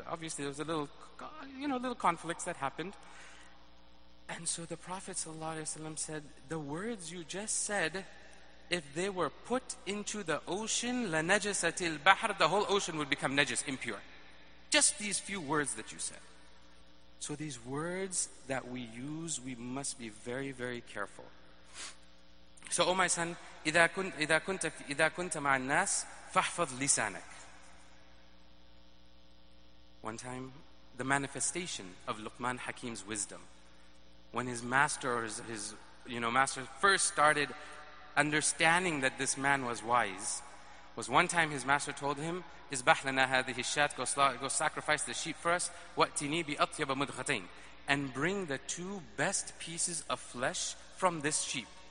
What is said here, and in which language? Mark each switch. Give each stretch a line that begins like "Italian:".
English: Obviously, there was a little, you know, little conflicts that happened. And so the Prophet ﷺ said, the words you just said, if they were put into the ocean,
Arabic: لَنَجَسَتِ الْبَحْرِ,
English: the whole ocean would become najis, impure. Just these few words that you said. So these words that we use, we must be very, very careful. So, oh my son,
Arabic: إِذَا كُنْتَ مَعَ النَّاسِ فَاحْفَظْ لِسَانَكَ.
English: One time, the manifestation of Luqman Hakim's wisdom. When his master, or his you know, master first started understanding that this man was wise, was one time his master told him,
Arabic: إِذْبَحْ لَنَا هَذِهِ الشَّاتِ,
English: go sacrifice the sheep for us,
Arabic: وَأْتِنِي بِأَطْيَبَ مُدْخَتَيْنِ,
English: and bring the two best pieces of flesh from this sheep.